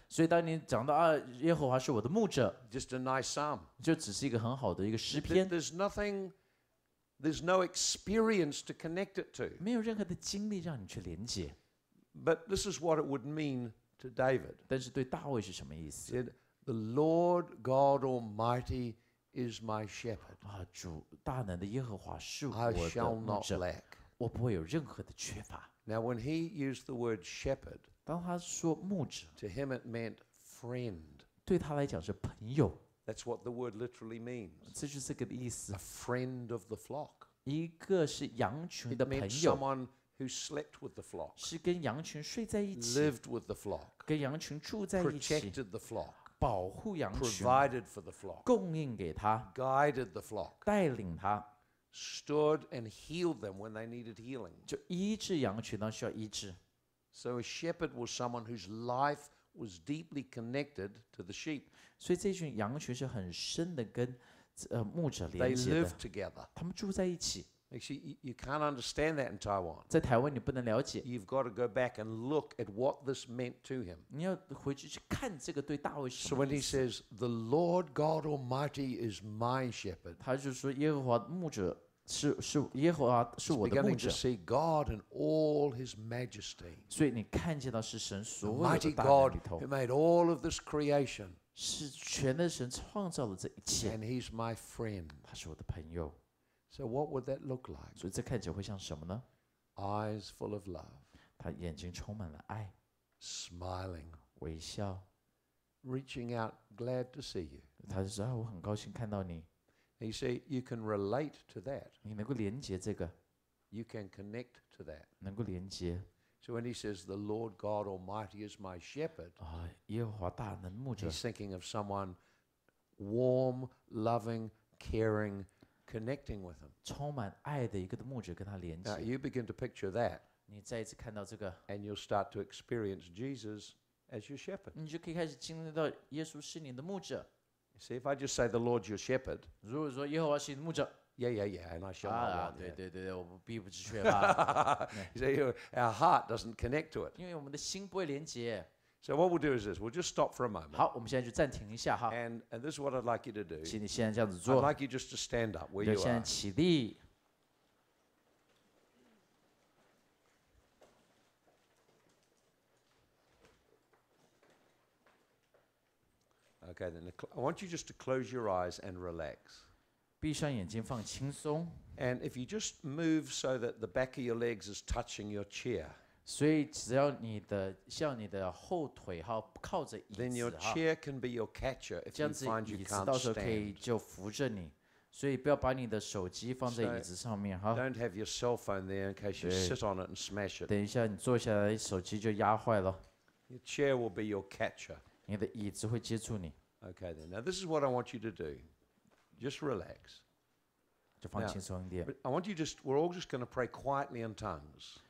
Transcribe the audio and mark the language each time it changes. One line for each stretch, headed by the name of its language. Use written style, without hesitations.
Chinese: 所以当你讲到啊，耶和华是我的牧者。
English: Just a nice psalm.
Chinese: 就只是一个很好的一个诗篇。
English: There's no experience to connect it to.
Chinese: 没有任何的经历让你去连接。
English: But this is what it would mean to David.
Chinese: 但是对大卫是什么意思？
English: Said, the Lord God Almighty is my shepherd.
Chinese: 啊，主大能的耶和华是我的牧者。
English: I shall not lack.
Chinese: 我不会有任何的缺乏。
English: Now when he used the word shepherd,
Chinese: 当他说牧者，
English: to him it meant friend.
Chinese: 对他来讲是朋友。
English: That's what the word literally means.
Chinese: 这就是这个意思。
English: A friend of the flock.
Chinese: 一个是羊群的朋友。
English: It meant someone who slept with the flock.
Chinese: 是跟羊群睡在一起。
English: Lived with the flock.
Chinese: 跟羊群住在一起。
English: Protected the flock.
Chinese: 保护羊群。
English: Provided for the flock.
Chinese: 供应给他。
English: Guided the flock.
Chinese: 带领他。
English: Stood and healed them when they needed healing.
Chinese: 就医治羊群当需要医治。
English: So a shepherd was someone whose life was deeply connected to the sheep.
Chinese: 所以这群羊群是很深的跟牧者连接的。
English: They lived together.
Chinese: 他们住在一起。
English: Actually, you can't understand that in Taiwan.
Chinese: 在台湾你不能了解。
English: You've got to go back and look at what this meant to him.
Chinese: 你要回去去看这个对大卫是什么。
English: So when he says, "The Lord God Almighty is my shepherd,"
Chinese: 他就说耶和华牧者。是耶和华是我的牧者。
English: Beginning to see God in all His majesty.
Chinese: 所以你看见到是神所有的大能里头。
English: Mighty God who made all of this creation.
Chinese: 是全能神创造了这一切。
English: And He's my friend.
Chinese: 他是我的朋友。
English: So what would that look like?
Chinese: 所以这看起来会像什么呢？
English: Eyes full of love.
Chinese: 他眼睛充满了爱。
English: Smiling.
Chinese: 微笑。
English: Reaching out, glad to see you.
Chinese: 他就说我很高兴看到你。
English: You see, you can relate to that.
Chinese: 你能够连接这个。
English: You can connect to that.
Chinese: 能够连接。
English: So when he says, "The Lord God Almighty is my shepherd,"
Chinese: 啊，耶和华大能牧者。
English: He's thinking of someone warm, loving, caring, connecting with him.
Chinese: 充满爱的一个的牧者跟他连接。
English: Now you begin to picture that.
Chinese: 你再一次看到这个。
English: And you'll start to experience Jesus as your shepherd.
Chinese: 你就可以开始经历到耶稣是你的牧者。
English: See, if I just say the Lord's your shepherd,
Chinese: 如果说耶和华是你的牧者
English: yeah, yeah, yeah, and I shall not want.
Chinese: 对对对，我不必不知缺乏。
English: You see, our heart doesn't connect to it.
Chinese: 因为我们的心不会连接。
English: So what we'll do is this: we'll just stop for a moment.
Chinese: 好，我们现在就暂停一下哈。
English: And this is what I'd like you to do.
Chinese: 请你现在这样子做。
English: I'd like you just to stand up where you are.
Chinese: 现在起立。
English: Okay, then I want you just to close your eyes and relax.
Chinese: 闭上眼睛放轻松。
English: And if you just move so that the back of your legs is touching your chair.
Chinese: 所以只要你的像你的后腿哈靠着椅子哈。
English: Then your chair can be your catcher if you find you can't stand.
Chinese: 这样子椅子到时候可以就扶着你。所以不要把你的手机放在椅子上面哈。
English: Don't have your cell phone there in case you sit on it and smash it.
Chinese: 等一下你坐下来，手机就压坏了。
English: Your chair will be your catcher.
Chinese: 你的椅子会接触你。
English: Okay, then. Now this is what I want you to do. Just relax.
Chinese: 就放轻松一点。
English: I want you just. We're all just going to pray quietly in tongues.